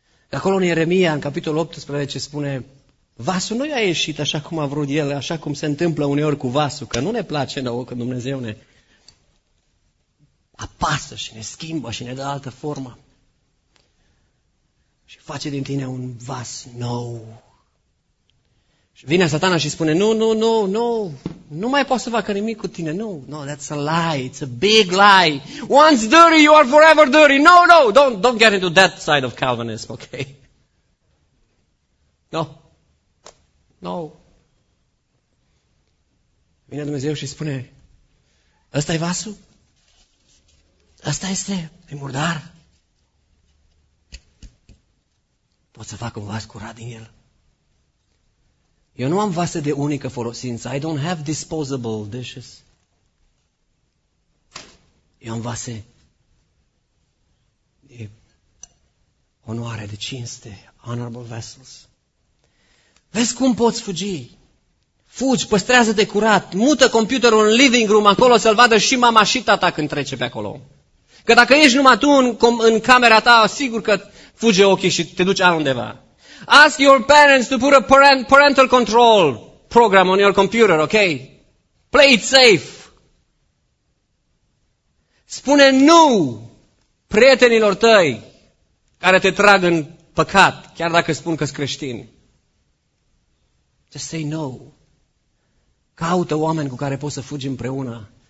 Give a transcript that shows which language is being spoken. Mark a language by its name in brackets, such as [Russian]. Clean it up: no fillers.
[Romanian] Acolo în Ieremia, în capitolul 18, spune... Vasul nu i-a ieșit așa cum a vrut el, așa cum se întâmplă uneori cu vasul, că nu ne place nouă când Dumnezeu ne apasă și ne schimbă și ne dă altă formă. Și face din tine un vas nou. Și vine Satana și spune, nu mai poți să facă nimic cu tine, [English] no, that's a lie, it's a big lie. Once dirty, you are forever dirty, no, don't get into that side of Calvinism, okay? No. [Romanian] Vine Dumnezeu și spune, ăsta e vasul? Ăsta este? E murdar? Pot să fac un vas curat din el? Eu nu am vase de unică folosință. [English] I don't have disposable dishes. [Romanian] Eu am vase de onoare, de cinste, [English] honorable vessels. [Romanian] Vezi cum poți fugi. Fugi, păstrează-te curat, mută computerul în living room acolo să-l vadă și mama și tata când trece pe acolo. Că dacă ești numai tu în camera ta, sigur că fuge ochii și te duci altundeva. [English] Ask your parents to put a parental control program on your computer, ok? Play it safe. [Romanian] Spune nu prietenilor tăi care te trag în păcat, chiar dacă spun că-s creștini. [English] Just say no. [Romanian] Caută oameni cu care poți să fugi împreună,